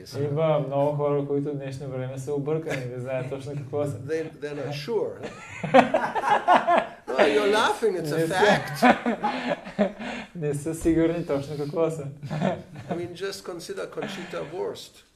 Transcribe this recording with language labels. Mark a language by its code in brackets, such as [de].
[bg] Има много хора, които в днешно време са объркани, не знаят точно какво са. [en] They're not sure. Well, you're laughing, it's a fact. [bg] Не са сигурни точно какво са. [en] I mean, just consider Conchita Wurst.